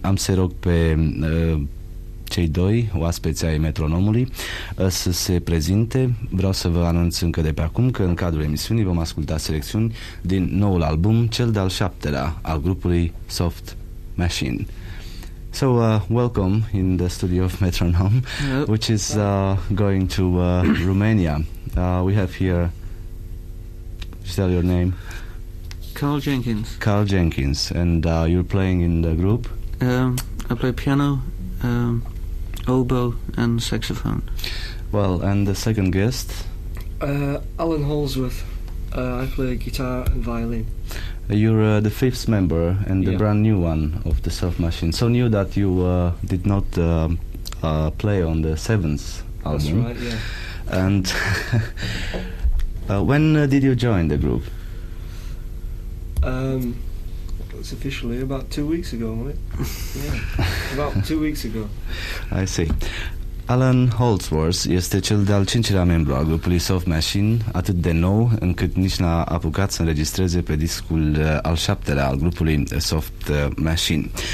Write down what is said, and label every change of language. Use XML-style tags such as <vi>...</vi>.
<ro>Am să rog pe cei doi oaspeți ai metronomului să se prezinte. Vreau să vă anunț încă de pe acum că în cadrul emisiunii vom asculta selecțiuni din noul album, cel de-al 7-lea al grupului Soft Machine.</ro> <en>So, welcome in the studio of Metronome, which is going to Romania. We have here, just tell your name. Carl Jenkins. Carl Jenkins. And you're playing in the group? I play piano, oboe and saxophone. Well, and the second guest Alan Holdsworth. I play guitar and violin. You're the fifth member and the brand new one of the Self Machine. So new that you did not play on the seventh album. That's right, yeah. And when did you join the group? It's officially about 2 weeks ago, wasn't it? Yeah, about 2 weeks ago. I see.</en> <ro>Alan Holdsworth este cel de-al cincilea membru al grupului Soft Machine, atât de nou încât nici n-a apucat să înregistreze pe discul al șaptelea al grupului Soft Machine.</ro>